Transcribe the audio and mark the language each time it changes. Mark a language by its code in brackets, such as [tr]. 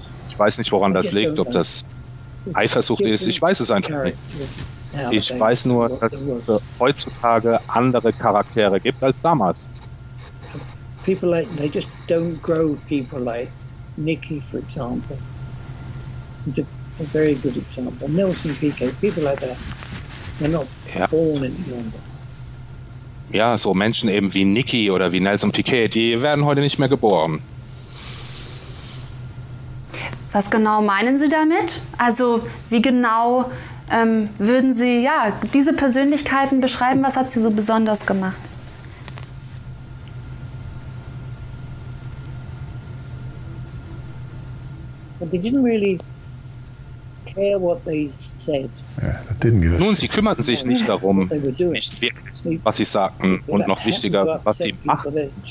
[de] Ich weiß nicht, woran das liegt, ob das Eifersucht ist. Ich weiß es einfach nicht. Ich weiß nur, dass es heutzutage andere Charaktere gibt als damals. [en] People like, they just don't grow people like Nicky, for example. He's a very good example. Nelson Piquet, people like that, they're not born in London. [de] Ja, so Menschen eben wie Nicky oder wie Nelson Piquet, die werden heute nicht mehr geboren. Was genau meinen Sie damit? Also, wie genau würden Sie ja, diese Persönlichkeiten beschreiben? Was hat sie so besonders gemacht? [en] They didn't really care what they said. [de] Nun, sie kümmerten sich nicht darum, nicht wirklich, was sie sagten und noch wichtiger, was sie machten.